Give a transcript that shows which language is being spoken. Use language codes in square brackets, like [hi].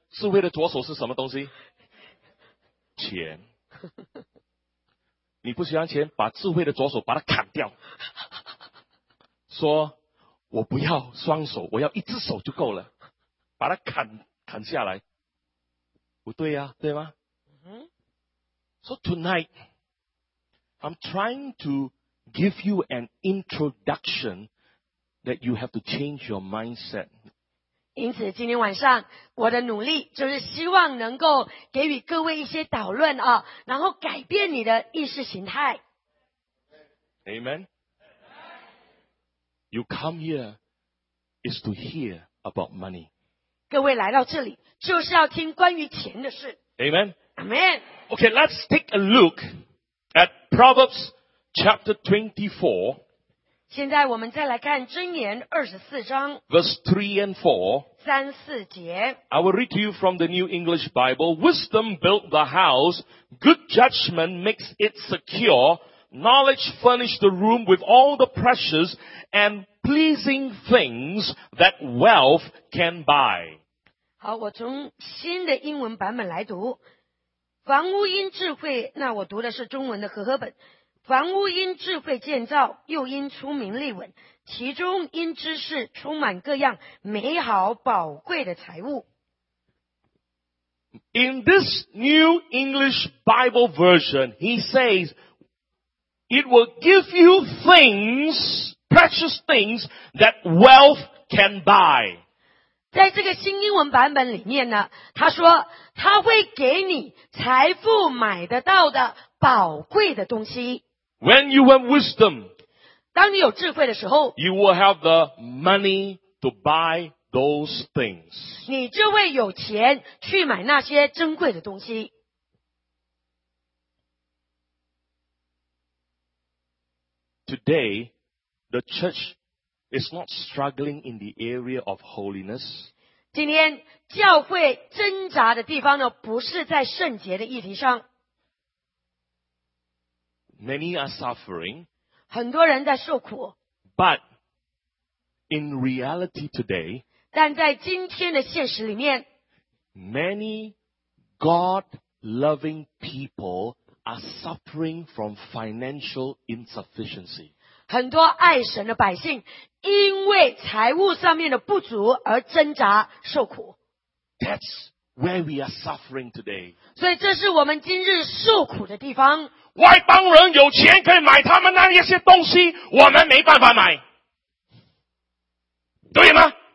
[zh] 智慧的左手是什么东西？钱。你不喜欢钱，把智慧的左手把它砍掉，说我不要双手，我要一只手就够了，把它砍下来，不对啊，对吗？ [en] So tonight I'm trying to give you an introduction that you have to change your mindset. [zh] 因此今天晚上我的努力就是希望能够给予各位一些导论啊，然后改变你的意识形态。 [en] Amen. You come here is to hear about money. [zh] 各位来到这里就是要听关于钱的事。 [en] Amen. Amen. Okay, let's take a look at Proverbs chapter 24. [zh] 现在我们再来看箴言24章 [en] Verse 3 and 4 [zh] 三四节 [en] I will read to you from the New English Bible. Wisdom built the house. Good judgment makes it secure. Knowledge furnished the room with all the precious and pleasing things that wealth can buy. [zh] 好，我从新的英文版本来读。房屋因智慧，那我读的是中文的和合本。房屋因智慧建造，又因出名立稳，其中因知识充满各样美好宝贵的财物。 [en] In this New English Bible version, he says, it will give you things, precious things that wealth can buy. [zh] 在这个新英文版本里面呢，他说，他会给你财富买得到的宝贵的东西。 [en] When you have wisdom, [zh] 当你有智慧的时候 [en] you will have the money to buy those things. [zh] 你就会有钱去买那些珍贵的东西。 [en] Today, the church is not struggling in the area of holiness. [zh] 今天教会挣扎的地方呢，不是在圣洁的议题上。 [en] Many are suffering. [zh] 很多人在受苦。 [en] But in reality today, [zh] 但在今天的现实里面 [en] many God-loving people are suffering from financial insufficiency. [zh] 很多爱神的百姓因为财务上面的不足而挣扎受苦。 [en] That's where we are suffering today. [zh] 所以这是我们今日受苦的地方。外邦人有钱可以买他们那一些东西，我们没办法买，对吗？